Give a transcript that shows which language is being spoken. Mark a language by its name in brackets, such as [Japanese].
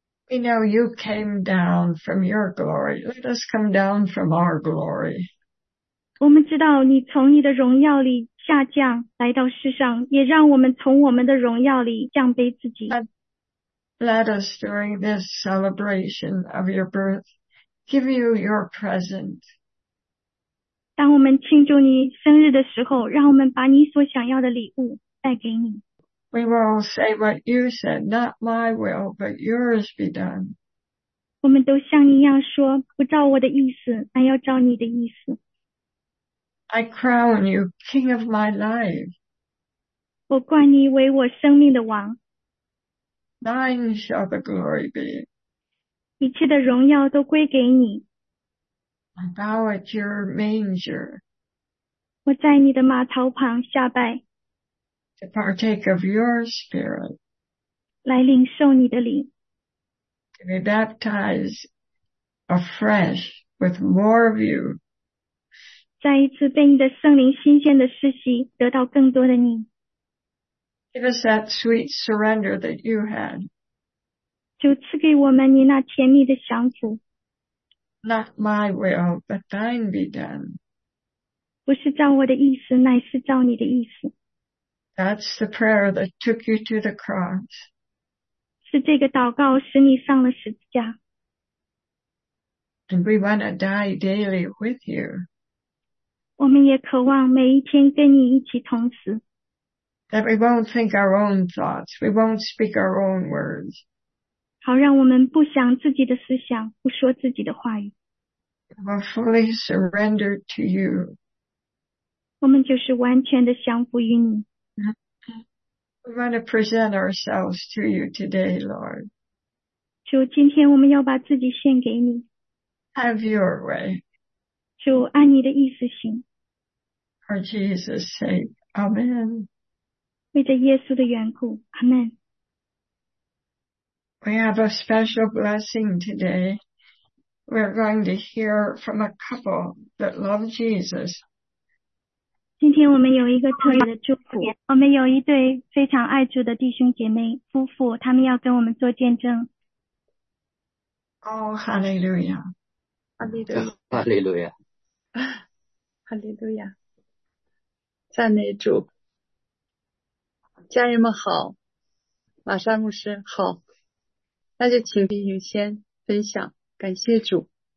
[English] We know you came down from your glory. Let us come down from our glory. [Chinese] 我们知道你从你的荣耀里下降来到世上，也让我们从我们的荣耀里降卑自己。 [English] Let us during this celebration of your birth give you your present. [Chinese] 当我们庆祝你生日的时候，让我们把你所想要的礼物带给你。 [English] We will say what you said, not my will, but yours be done. [Chinese] 我们都像你一样说，不照我的意思，但要照你的意思。 [English] I crown you king of my life. [Chinese] 我冠你为我生命的王。 [English] Thine shall the glory be. [Chinese] 一切的荣耀都归给你。 [English] I bow at your manger. [Chinese] 我在你的马槽旁下拜。 [English] To partake of your spirit. [Chinese] 来领受你的灵。 [English] To be baptized afresh with more of you. [Chinese] 再一次被你的圣灵新鲜的施洗，得到更多的你。 [English] Give us that sweet surrender that you had. [Chinese] 就赐给我们你那甜蜜的降服。 [English] Not my will, but thine be done. [Chinese] 不是照我的意思，乃是照你的意思。 [English] That's the prayer that took you to the cross. [Chinese] 是这个祷告使你上了十字架。 [English] And we want to die daily with you. [Chinese] 我们也渴望每一天跟你一起同死。 [English] That we won't think our own thoughts. We won't speak our own words. [Chinese] 好让我们不想自己的思想，不说自己的话语。 [English] We will fully surrender to you. [Chinese] 我们就是完全的降服于你。 [English] We want to present ourselves to you today, Lord. [Chinese] 主，今天我们要把自己献给你。 [English] Have your way. [Chinese] 主，按你的意思行。 [English] For Jesus' sake, Amen. [Chinese] 为着耶稣的缘故， Amen. [English] We have a special blessing today. We're going to hear from a couple that love Jesus. [Chinese] 今天我们有一个特别的祝福，我们有一对非常爱主的弟兄姐妹夫妇，他们要跟我们做见证。 [English] Oh, hallelujah. Hallelujah. Hallelujah. [Chinese] Hallelujah. 赞美主。家人们好，玛莎牧师好，那就请弟兄先分享，感谢主。